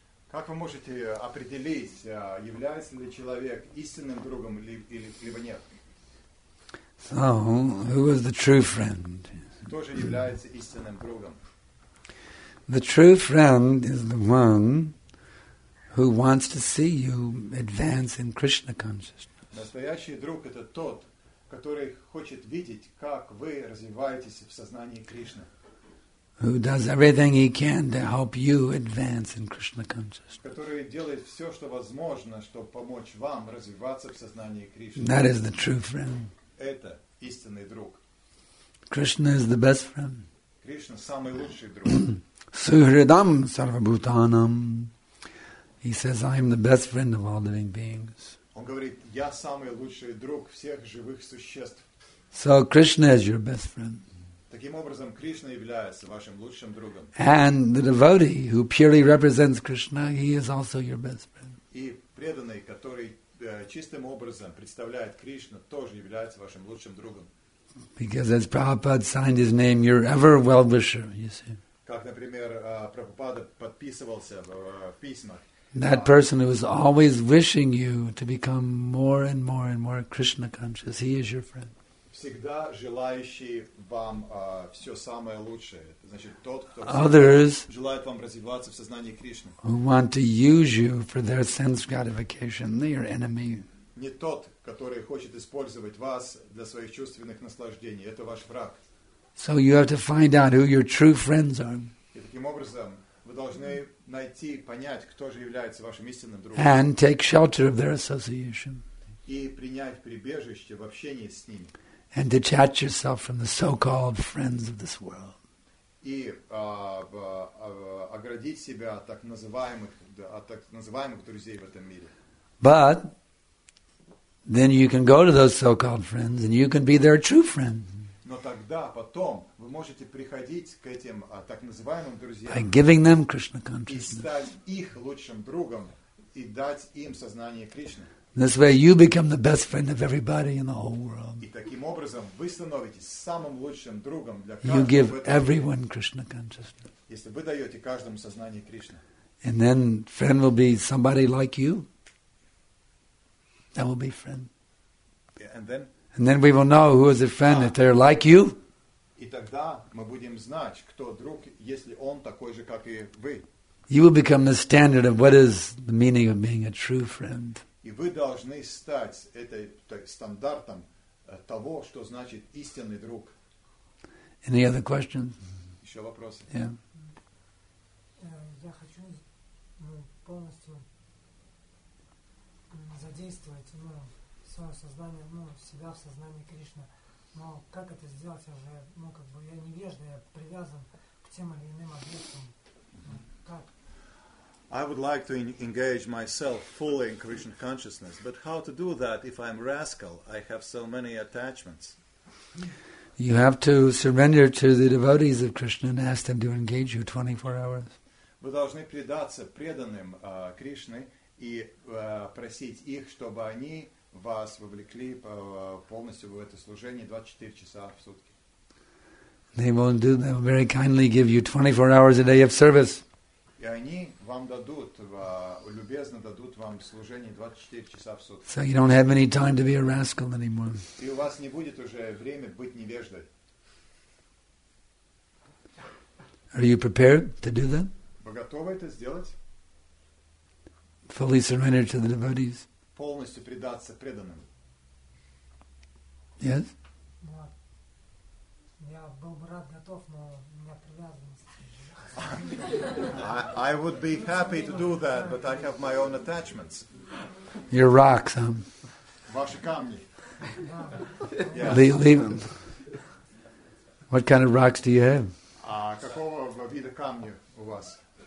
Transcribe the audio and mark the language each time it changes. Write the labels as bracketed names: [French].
[Russian] Как вы можете определить, является ли человек истинным другом либо нет? [English] So, who is the true friend? [Russian] Кто же является истинным другом? [English] The true friend is the one who wants to see you advance in Krishna consciousness. [Russian] Настоящий друг — это тот, который хочет видеть, как вы развиваетесь в сознании Кришны. [English] Who does everything he can to help you advance in Krishna consciousness. [Russian] Который делает все, что возможно, чтобы помочь вам развиваться в сознании Кришны. [English] That is the true friend. [Russian] Это истинный друг. [English] Krishna is the best friend. [Russian] Кришна самый лучший друг. [Sanskrit] Сухридам сарвабутанам. [English] He says, I am the best friend of all living beings. [Russian] Он говорит, я самый лучший друг всех живых существ. [English] So Krishna is your best friend. [Russian] Таким образом, Кришна является вашим лучшим другом. [English] And the devotee who purely represents Krishna, he is also your best friend. [Russian] И преданный, который чистым образом представляет Кришну, тоже является вашим лучшим другом. [English] Because as Prabhupada signed his name, you're ever well-wisher, you see. [Russian] Как, например, Прабхупада подписывался в письмах. [English] That person who is always wishing you to become more and more and more Krishna conscious, he is your friend. [Russian] Всегда желающий вам все самое лучшее. Значит, тот, кто [English] Others, [Russian] желает вам развиваться в сознании Кришны. [English] Who want to use you for their sense gratification, they are enemy. [Russian] Не тот, который хочет использовать вас для своих чувственных наслаждений. Это ваш враг. [English] So you have to find out who your true friends are. [Russian] И таким образом, вы должны найти, понять, кто же является вашим истинным другом. [English] And take shelter of their association. [Russian] И принять прибежище в общении с ними. [English] And detach yourself from the so-called friends of this world. [Russian] И оградить себя от так называемых друзей в этом мире. [English] But then you can go to those so-called friends, and you can be their true friend. [Russian] Но тогда потом вы можете приходить к этим так называемым друзьям. [English] By giving them Krishna consciousness. [Russian] И стать их лучшим другом и дать им сознание Кришны. [English] This way you become the best friend of everybody in the whole world. [Russian] И таким образом вы становитесь самым лучшим другом для каждого. [English] You give everyone Krishna consciousness. [Russian] Если вы даете каждому сознание Кришны. [English] And then friend will be somebody like you. That will be friend. Yeah, and then? And then we will know who is a friend if they're like you. [Russian] И тогда мы будем знать, кто друг, если он такой же, как и вы. [English] You will become the standard of what is the meaning of being a true friend. [Russian] И вы должны стать этой стандартом того, что значит истинный друг. [English] Any other questions? [Russian] Еще вопросы? [English] Yeah. [Russian] Я хочу полностью задействовать свое сознание, себя в сознании Кришны. Но как это сделать? Я же, я невежда, я привязан к тем или иным объектам. Как? [English] I would like to engage myself fully in Krishna consciousness, but how to do that if I'm a rascal? I have so many attachments. You have to surrender to the devotees of Krishna and ask them to engage you 24 hours. [Russian] Вы должны предаться преданным Кришне и просить их, чтобы они вас вовлекли полностью в это служение 24 часа в сутки. [English] They will do, they will very kindly give you 24 hours a day of service. [Russian] И они вам дадут, любезно дадут вам служение 24 часа в сутки. [English] So you don't have any time to be a rascal anymore. [Russian] И у вас не будет уже время быть невеждой. [English] Are you prepared to do that? [Russian] Вы готовы это сделать? [English] Fully surrender to the devotees. [Russian] Полностью предаться преданным. [English] Yes? [Russian] Я был бы рад готов, но у меня привязанность. [English] I would be happy to do that, but I have my own attachments. Your rocks, huh? [Russian] Ваши камни. [English] Leave them. What kind of rocks do you have? [Russian] Какого вида камни у вас?